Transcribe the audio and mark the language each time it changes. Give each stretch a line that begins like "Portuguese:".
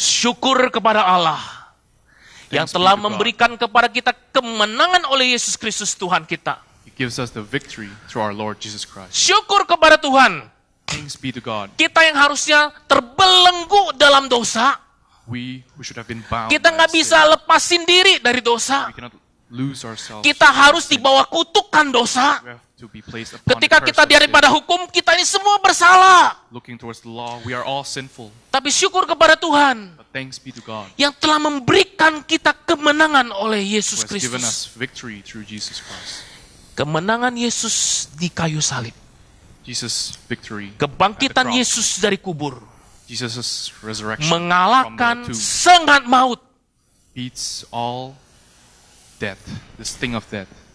Indonesian: Syukur kepada Allah. Yang telah memberikan kepada kita kemenangan oleh Yesus Kristus Tuhan kita.
English: Gives us the victory through our Lord Jesus Christ.
Indonesian: Syukur kepada Tuhan.
English: Thanks be to God.
Indonesian: Kita yang harusnya terbelenggu dalam dosa.
English: We should have been bound.
Indonesian: Kita enggak bisa lepasin diri dari dosa.
English: We cannot lose ourselves.
Indonesian: Kita harus di bawah kutukan dosa.
English: We have to be placed upon.
Indonesian: Ketika kita daripada hukum, kita ini semua bersalah.
English: Looking towards the law, we are all sinful.
Indonesian: Tapi syukur kepada Tuhan.
English: But thanks be to God.
Indonesian: Yang telah memberikan kita kemenangan oleh Yesus Kristus.
English: Given us victory through Jesus Christ.
Indonesian: Kemenangan Yesus di kayu salib.
English: Jesus victory.
Indonesian: Kebangkitan Yesus dari kubur.
English: Jesus's resurrection.
Indonesian: Mengalahkan sengat maut.
English: Beats all death, the sting of death.